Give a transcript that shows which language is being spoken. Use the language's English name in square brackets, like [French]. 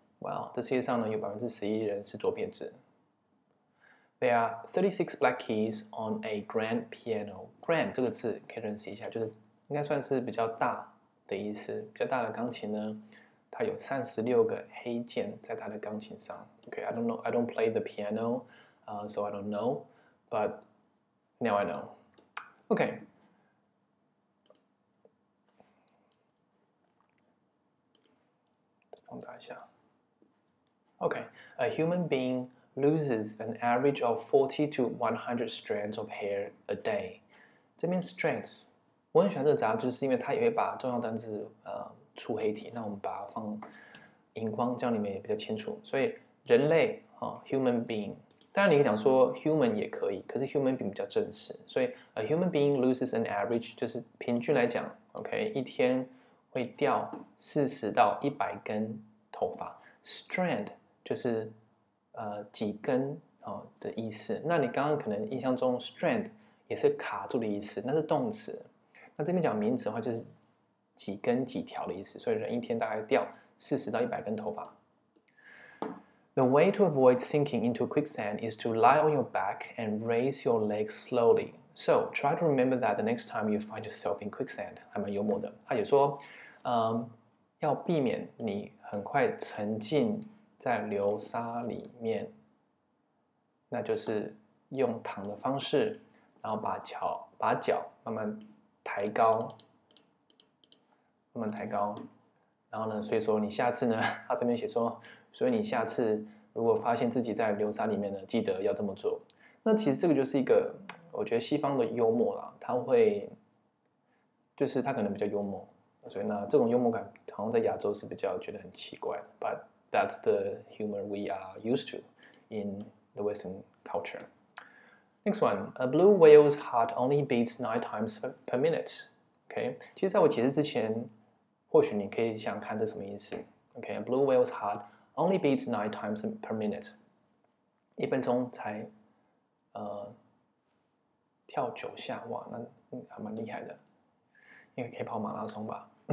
[Chinese] Wow, 这世界上呢有11%人是左撇子。 [English] There are 36 black keys on a grand piano. [Chinese] Grand 这个字可以认识一下，就是应该算是比较大的意思。比较大的钢琴呢，它有36个黑键在它的钢琴上。 [English] Okay, I don't know. I don't play the piano, so I don't know. But now I know. Okay. Okay, a human being loses an average of 40 to 100 strands of hair a day. [Chinese] 这边 strands， 我很喜欢这个杂志，是因为它也会把重要单词出黑体，那我们把它放荧光，这样里面也比较清楚。所以人类啊 ，human being， 当然你可以讲说 human 也可以，可是 human being 比较正式。 [English] 所以 a human being loses an average [Chinese] 就是平均来讲 [English] ，OK， [Chinese] 一天。会掉40到100根头发 ，strand 就是几根、的意思。那你刚刚可能印象中 strand 也是卡住的意思，那是动词。那这边讲名词的话，就是几根几条的意思。所以人一天大概掉40到100根头发。 [English] The way to avoid sinking into quicksand is to lie on your back and raise your legs slowly. So try to remember that the next time you find yourself in quicksand. [Chinese] 还蛮幽默的，他也说。要避免你很快沉浸在流沙里面，那就是用躺的方式，然后把脚慢慢抬。抬高，慢慢抬高。然后呢，所以说你下次呢，他这边写说，所以你下次如果发现自己在流沙里面呢，记得要这么做。那其实这个就是一个，我觉得西方的幽默啦，他会，就是他可能比较幽默，所以呢，这种幽默感好像在亚洲是比较觉得很奇怪。 [English] But that's the humor we are used to in the Western culture. Next one, a blue whale's heart only beats 9 times per minute. [Chinese] Okay, 其实在我解释之前，或许你可以想看这什么意思。 [English] Okay, a blue whale's heart only beats 9 times per minute. [Chinese] 一分钟才跳九下，哇，那还蛮厉害的，应该可以跑马拉松吧。